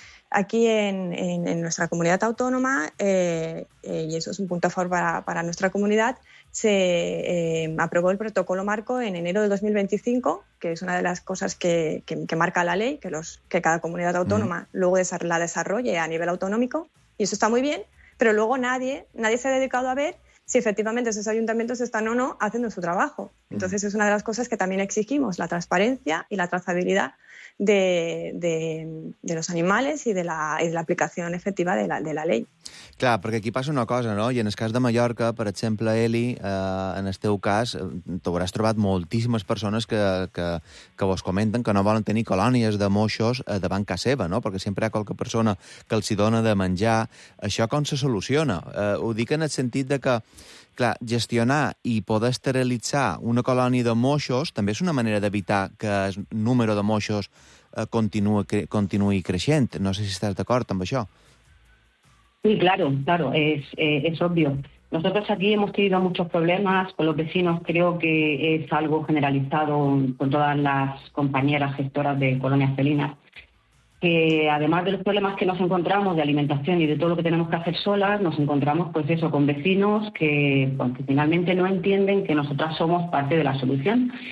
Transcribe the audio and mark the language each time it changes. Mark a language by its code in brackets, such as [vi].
[es] Aquí en nuestra comunidad autónoma, y eso es un punto a favor para nuestra comunidad, se aprobó el protocolo marco en enero de 2025, que es una de las cosas que marca la ley, que cada comunidad autónoma luego la desarrolle a nivel autonómico, y eso está muy bien, pero luego nadie se ha dedicado a ver si efectivamente esos ayuntamientos están o no haciendo su trabajo. Entonces es una de las cosas que también exigimos, la transparencia y la trazabilidad de los animales y de la aplicación efectiva de la ley. [ca] Clar, perquè aquí passa una cosa, no? I en el cas de Mallorca, per exemple, Eli, en el teu cas, t'hauràs trobat moltíssimes persones que vos comenten que no volen tenir colònies de moixos davant casa seva, no? Perquè sempre hi ha qualque persona que els hi dona de menjar. Això com se soluciona? Ho dic en el sentit de que, clar, gestionar i poder esterilitzar una colònia de moixos també és una manera d'evitar que el número de moixos continuï creixent. No sé si estàs d'acord amb això. [es] Sí, claro, es obvio. Nosotros aquí hemos tenido muchos problemas con los vecinos, creo que es algo generalizado con todas las compañeras gestoras de colonias felinas, que además de los problemas que nos encontramos de alimentación y de todo lo que tenemos que hacer solas, nos encontramos pues eso, con vecinos que finalmente no entienden que nosotras somos parte de la solución.